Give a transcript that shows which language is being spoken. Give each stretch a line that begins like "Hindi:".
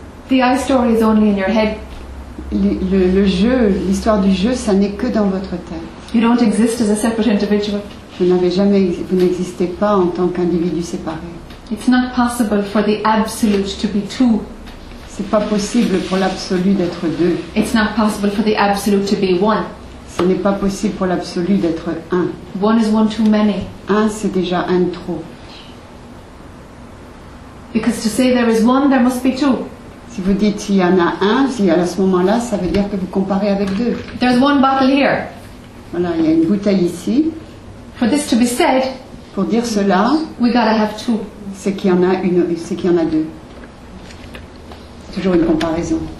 English: The I story is only in your head.
French: Le jeu, l'histoire du jeu, ça n'est que dans votre tête.
English: You don't exist as a separate individual.
French: Vous n'existez pas en tant qu'individu séparé.
English: It's not possible for the absolute to be two.
French: C'est pas possible pour l'absolu d'être deux.
English: It's not possible for the absolute to be one.
French: Ce n'est pas possible pour l'absolu d'être un.
English: One is one too many.
French: Un, c'est déjà un trop.
English: Because to say there is one, there must be two.
French: Si vous dites il y en a un, si à ce moment-là, ça veut dire que vous comparez avec deux.
English: There's one bottle here.
French: Voilà, il y a une bouteille ici.
English: For this to be said,
French: pour dire cela,
English: we gotta have two.
French: C'est qu'il y en a une, c'est qu'il y en a deux. Toujours une comparaison.